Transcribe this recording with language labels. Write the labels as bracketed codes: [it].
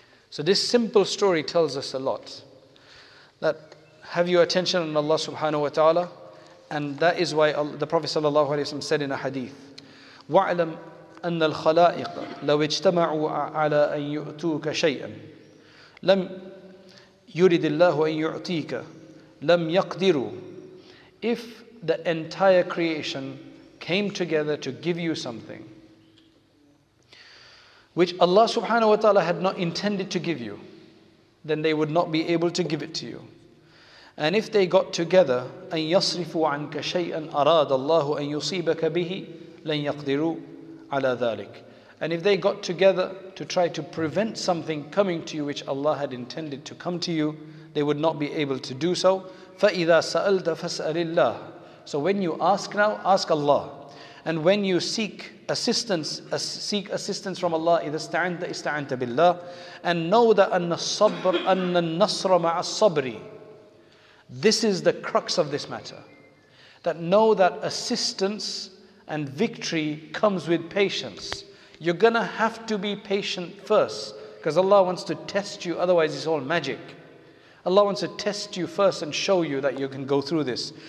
[en] So this simple story tells us a lot. That have your attention on Allah subhanahu wa ta'ala, and that is why the Prophet sallallahu alayhi wa sallam said in a hadith, [ar] وَعْلَمْ أَنَّ الْخَلَائِقَ لَوْ اجْتَمَعُوا عَلَىٰ أَنْ يُؤْتُوكَ شَيْئًا لَمْ يُرِدِ اللَّهُ أَنْ يُعْتِيكَ لَمْ يَقْدِرُوا. [en] If the entire creation came together to give you something which Allah subhanahu wa ta'ala had not intended to give you, then they would not be able to give it to you. And if they got together, [ar] أَنْ يَصْرِفُوا عَنْكَ شَيْئًا أَرَادَ اللَّهُ أَنْ يُصِيبَكَ بِهِ لَنْ يَقْدِرُوا عَلَىٰ ذَلِكَ. [en] And if they got together to try to prevent something coming to you which Allah had intended to come to you, they would not be able to do so. [ar] فَإِذَا سَأَلْتَ فَاسْأَلِ اللَّهِ. [en] So when you ask now, ask Allah. And when you seek assistance from Allah, [ar] إِذَا اسْتَعَنْتَ اسْتَعَنْتَ بِاللَّهِ. [en] And know that [ar] أَنَّ النَّصْرَ مَعَ الصَّبْرِ. [en] This is the crux of this matter. That know that assistance and victory comes with patience. You're going to have to be patient first. Because Allah wants to test you, otherwise it's all magic. Allah wants to test you first and show you that you can go through this.